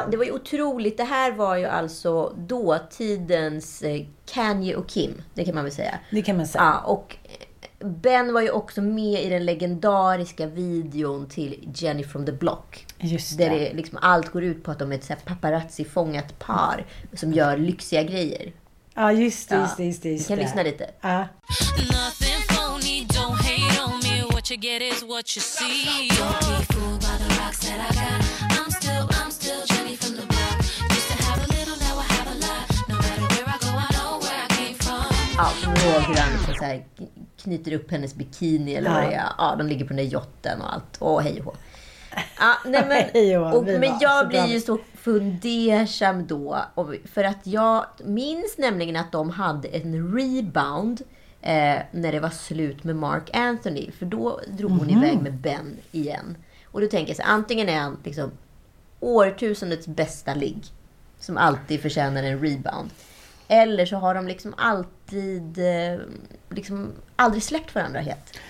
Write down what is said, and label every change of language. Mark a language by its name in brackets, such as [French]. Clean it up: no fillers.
[Swedish] Det var ju otroligt, det här var ju alltså dåtidens Kanye och Kim, det kan man väl säga. Det kan man säga. Ja, och Ben var ju också med i den legendariska videon till Jenny from the Block. Just det. Där det liksom allt går ut på att de är ett så här paparazzi-fångat par som gör lyxiga grejer. Ja, ah, just det. Vi kan lyssna lite. Ja. [English] Nothing phony, don't hate on me. What you get is what you see. Don't be fooled by the rocks that I got. I'm still Jenny from the block. Used to have a little, now I have a lot. No matter where I go, I know where I came from. [Swedish] Ja, frågrann så här, knyter upp hennes bikini eller vad det är. Ja, de ligger på den där jotten och allt. Åh, hej och hå. Nej, men, men jag blir ju så fundersam då, för att jag minns nämligen att de hade en rebound när det var slut med Mark Anthony, för då drog hon iväg med Ben igen, och då tänker jag så, antingen är han liksom årtusendets bästa ligg som alltid förtjänar en rebound, eller så har de liksom alltid liksom aldrig släppt varandra helt.